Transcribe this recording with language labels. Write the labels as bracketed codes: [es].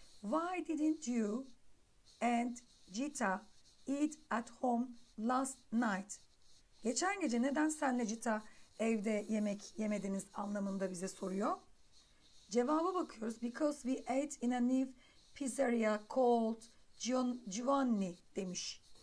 [en] Why didn't you and Gita eat at home last night? [tr] Geçen gece neden senle Gita evde yemek yemediniz anlamında bize soruyor. Cevaba bakıyoruz. [en] Because we ate in a new pizzeria called Giovanni [tr] demiş.